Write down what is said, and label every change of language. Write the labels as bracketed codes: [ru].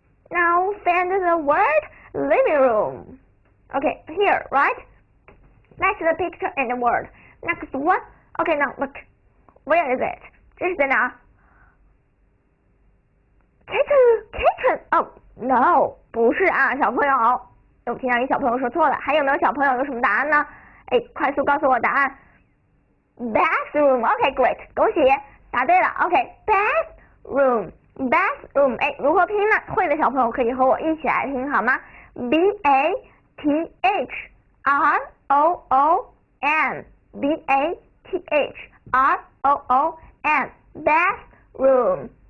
[en] Now find the word living room. Okay, here, right? Match the picture and the word. Next one. Okay, now look. Where is it? [zh] 这是在哪 ？Kitchen, kitchen. [en] Oh, no, [zh] 不是啊，小朋友。我听到一小朋友说错了。还有没有小朋友有什么答案呢？哎，快速告诉我答案。 [en] Bathroom. Okay, great. [zh] 恭喜。答对了 ，OK， bathroom， bathroom， 哎，如何拼呢？会的小朋友可以和我一起来拼好吗 ？B A T H R O O M， B A T H R O O M， bathroom。